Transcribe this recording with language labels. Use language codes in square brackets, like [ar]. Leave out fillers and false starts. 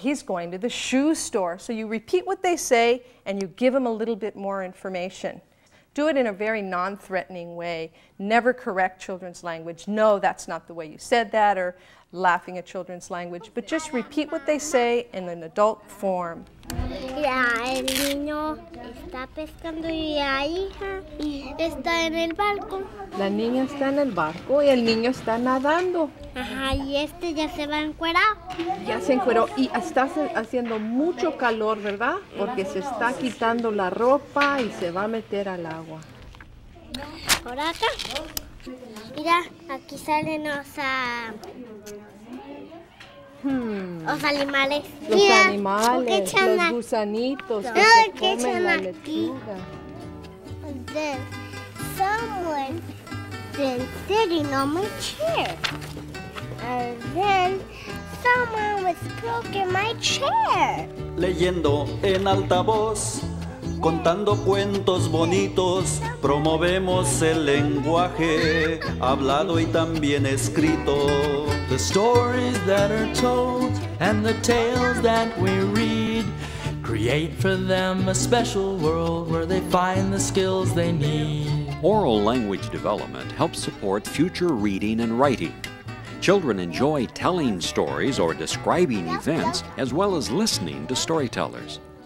[en] He's going to the shoe store." So you repeat what they say and you give them a little bit more information. Do it in a very non-threatening way. Never correct children's language. No, that's not the way you said that, or laughing at children's language. But just repeat what they say in an adult form. [es] Yeah, el niño está pescando y la hija está en el barco. La niña está en el barco y el niño está nadando. Ajá, y este ya se va encuerado. Ya se encueró y está haciendo mucho calor, ¿verdad? Porque se está quitando la ropa y se va a meter al agua. Por acá. Mira, aquí salen los animales. Los animales, los gusanitos que se comen la lechuga. [en] There's someone been sitting on my chair. And then someone was broken my chair. [es] Leyendo en alta voz, contando cuentos bonitos, promovemos el lenguaje hablado y también escrito. [en] The stories that are told and the tales that we read create for them a special world where they find the skills they need. Oral language development helps support future reading and writing. Children enjoy telling stories or describing events as well as listening to storytellers.